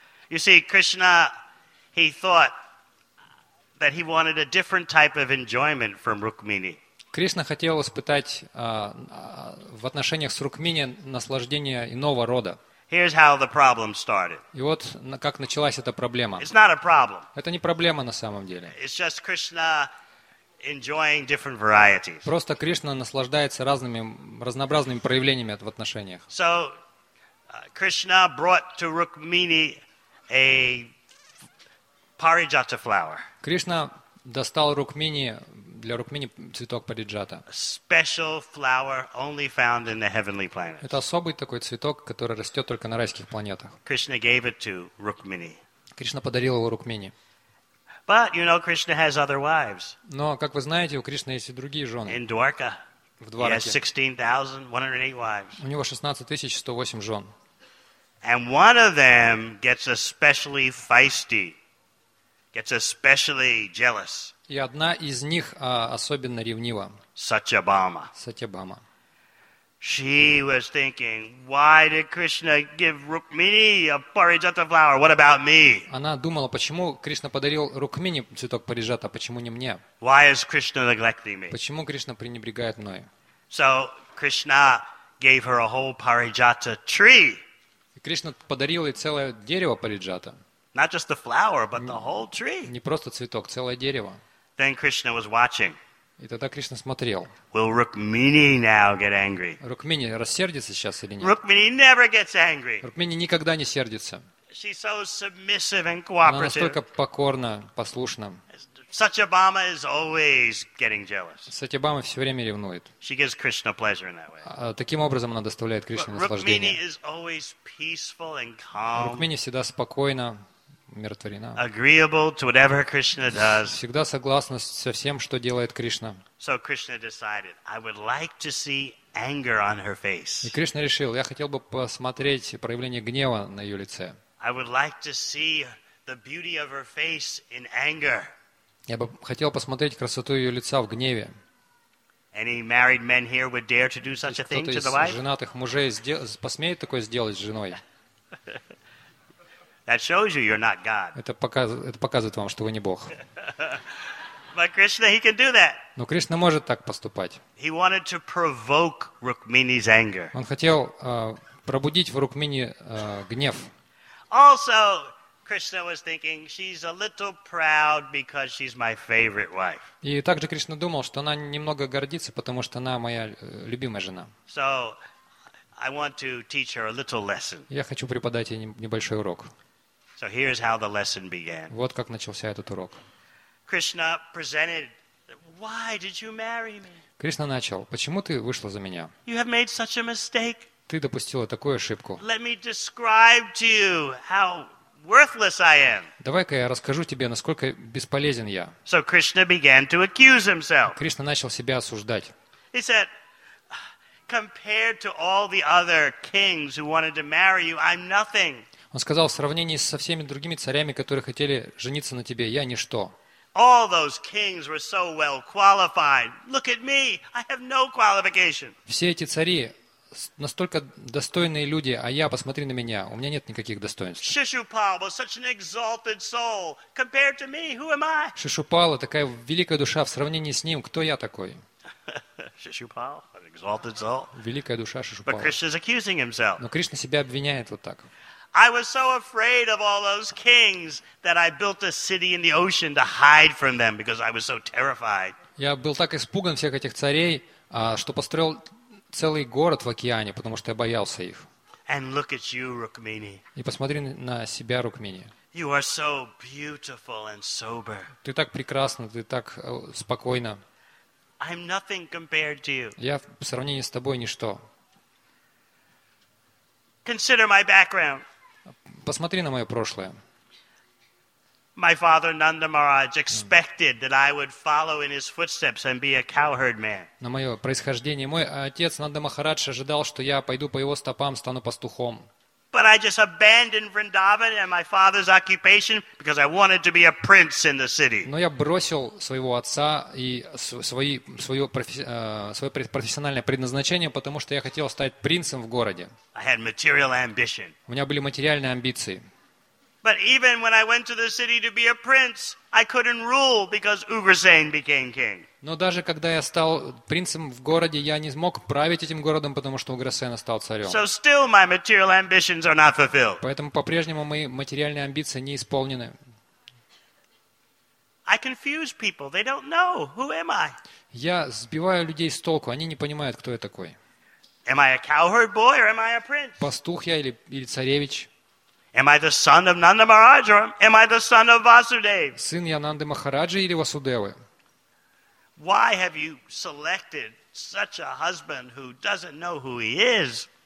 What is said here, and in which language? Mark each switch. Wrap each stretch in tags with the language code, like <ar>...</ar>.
<en>You see, Krishna, he thought that he wanted a different type of enjoyment from Rukmini.</en> <ru>Кришна хотел испытать в отношениях с Рукмини наслаждение иного рода.</ru> <en>Here's how the problem started.</en> <ru>И вот как началась эта проблема.</ru> <en>It's not a problem.</en> <ru>Это не проблема на самом деле.</ru> <en>It's just Krishna enjoying different varieties.</en> <ru>Просто Кришна наслаждается разнообразными проявлениями в отношениях.</ru> <en>So Krishna brought to Rukmini a parijata flower.</en> <ru>Кришна достал Рукмини, для Рукмини цветок париджата.</ru> <en>Special flower only found in the heavenly planets.</en> <ru>Это особый такой цветок, который растет только на райских планетах.</ru> <en>Krishna gave it to Rukmini.</en> <ru>Кришна подарил его Рукмини.</ru> <en>But you know Krishna has other wives.</en> <ru>Но, как вы знаете, у Кришны есть и другие жены.</ru> <en>In Dwarka.</en> <ru>В Двараке.</ru> <en>He has 16,108 wives.</en> <ru>У него 16,108 жен.</ru> <en>And one of them gets especially feisty. Gets especially jealous.</en> <ru>И одна из них особенно ревнива. Сатьябама. Сатьябама.</ru> <en>She was thinking, why did Krishna give Rukmini a parijata flower? What about me?</en> <ru>Она думала, почему Кришна подарил Рукмини цветок парижата, почему не мне?</ru> <en>Why is Krishna neglecting me?</en> <ru>Почему Кришна пренебрегает мной?</ru> <en>So Krishna gave her a whole parijata tree.</en> <ru>Кришна подарил ей целое дерево парижата.</ru> <en>Not just the flower, but the whole tree.</en> <ru>Не просто цветок, целое дерево.</ru> <en>Then Krishna was watching.</en> <ru>И тогда Кришна смотрел.</ru> <en>Will Rukmini now get angry?</en> <ru>Рукмини рассердится сейчас или нет?</ru> <en>Rukmini never gets angry.</en> <ru>Рукмини никогда не сердится.</ru> <en>She's so submissive and cooperative.</en> <ru>Она настолько покорна, послушна.</ru> <en>Сатьябама is always getting jealous.</en> <ru>Сатьябама все время ревнует.</ru> <en>She gives Krishna pleasure in that way.</en> <ru>Таким образом она доставляет Кришне наслаждение.</ru> <en>Rukmini is always peaceful and calm.</en> <ru>Рукмини всегда спокойна, умиротворена.</ru> <en>Agreeable to whatever Krishna does.</en> <ru>Всегда согласна со всем, что делает Кришна.</ru> <en>So Krishna decided, I would like to see anger on her face.</en> <ru>И Кришна решил, я хотел бы посмотреть проявление гнева на ее лице.</ru> <en>I would like to see the beauty of her face in anger.</en> <ru>Я бы хотел посмотреть красоту ее лица в гневе.</ru> <en>Any married men here would dare to do such a thing to the wife?</en> <ru>Кто-то из женатых мужей посмеет такое сделать с женой?</ru> <en>That shows you you're not God.</en> <ru>Это показывает вам, что вы не Бог.</ru> <en>But Krishna, he can do that.</en> <ru>Но Кришна может так поступать.</ru> <en>He wanted to provoke Rukmini's anger.</en> <ru>Он хотел пробудить в Рукмини гнев.</ru> <en>Also, Krishna was thinking she's a little proud because she's my favorite wife.</en> <ru>И также Кришна думал, что она немного гордится, потому что она моя любимая жена.</ru> <en>So, I want to teach her a little lesson.</en> <ru>Я хочу преподать ей небольшой урок.</ru> <en>So here's how the lesson began.</en> <ru>Вот как начался этот урок.</ru> <en>Krishna presented, "Why did you marry me?"</en> <ru>Кришна начал: "Почему ты вышла за меня?"</ru> <en>You have made such a mistake.</en> <ru>Ты допустила такую ошибку.</ru> <en>Let me describe to you how worthless I am.</en> <ru>Давай-ка я расскажу тебе, насколько бесполезен я.</ru> <en>So Krishna began to accuse himself.</en> <ru>Кришна начал себя осуждать.</ru> <en>He said, "Compared to all the other kings who wanted to marry you, I'm nothing."</en> <ru>Он сказал: "В сравнении со всеми другими царями, которые хотели жениться на тебе, я ничто."</ru> <en>All those kings were so well qualified. Look at me. I have no qualification.</en> <ru>Все эти цари настолько достойные люди, а я, посмотри на меня, у меня нет никаких достоинств.</ru> <en>Шишупал was such an exalted soul. Compared to me, who am I?</en> <ru>Шишупала такая великая душа, в сравнении с ним, кто я такой?</ru> <en>Шишупал, an exalted soul.</en> <ru>Великая душа Шишупала.</ru> <en>But Krishna is accusing himself.</en> <ru>Но Кришна себя обвиняет вот так.</ru> <en>I was so afraid of all those kings that I built a city in the ocean to hide from them because I was so terrified.</en> <ru>Я был так испуган всех этих царей, что построил целый город в океане, потому что я боялся их.</ru> <en>And look at you, Rukmini.</en> <ru>И посмотри на себя, Рукмини.</ru> <en>You are so beautiful and sober.</en> <ru>Ты так прекрасна, ты так спокойна.</ru> <en>I'm nothing compared to you.</en> <ru>Я в сравнении с тобой ничто.</ru> <en>Consider my background.</en> <ru>Посмотри на мое прошлое.</ru> <en>My father Nanda Maharaj expected that I would follow in his footsteps and be a cowherd man.</en> <ru>На мое происхождение, мой отец Нанда Махарадж ожидал, что я пойду по его стопам, стану пастухом.</ru> <en>But I just abandoned Vrindavan and my father's occupation because I wanted to be a prince in the city.</en> <ru>Но я бросил своего отца и свое профессиональное предназначение, потому что я хотел стать принцем в городе.</ru> <en>I had material ambition.</en> <ru>У меня были материальные амбиции.</ru> <en>But even when I went to the city to be a prince, I couldn't rule because Ugrasen became king.</en> <ru>Но даже когда я стал принцем в городе, я не смог править этим городом, потому что Уграсена стал царем.</ru> <en>So still my material ambitions are not fulfilled.</en> <ru>Поэтому по-прежнему мои материальные амбиции не исполнены.</ru> <en>I confuse people. They don't know who am I.</en> <ru>Я сбиваю людей с толку. Они не понимают, кто я такой.</ru> <en>Am I a cowherd boy or am I a prince?</en> <ru>Пастух я или царевич?</ru> <en>Am I the son of Nanda Maharaj or am I the son of Vasudev?</en> <ru>Сын я Нанды Махараджи или Васудевы?</ru> <en>Why have you selected such a husband who doesn't know who he is?</en>